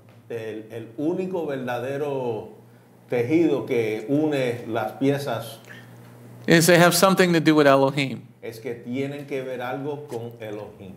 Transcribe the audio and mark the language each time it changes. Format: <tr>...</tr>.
<es>El único verdadero tejido que une las piezas.</es> <en>Is they have something to do with Elohim.</en> <es>Es que tienen que ver algo con Elohim.</es>